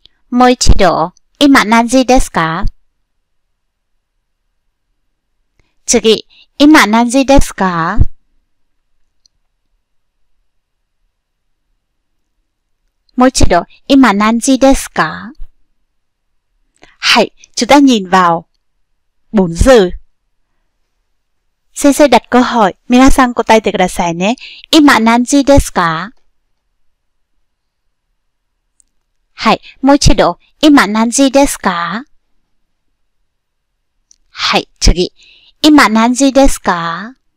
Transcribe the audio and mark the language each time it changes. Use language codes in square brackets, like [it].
[ja] もう一度、今何時ですか? 次、今何時ですか? もう一度、今何時ですか? [vi] はい、chúng ta nhìn vào 4 giờ. [ja] 先生 [vi] đặt câu hỏi, [ja] 皆さん 答えて くださいね. 今何時ですか? はい、もう一度、今何時ですか? はい、次、今何時ですか?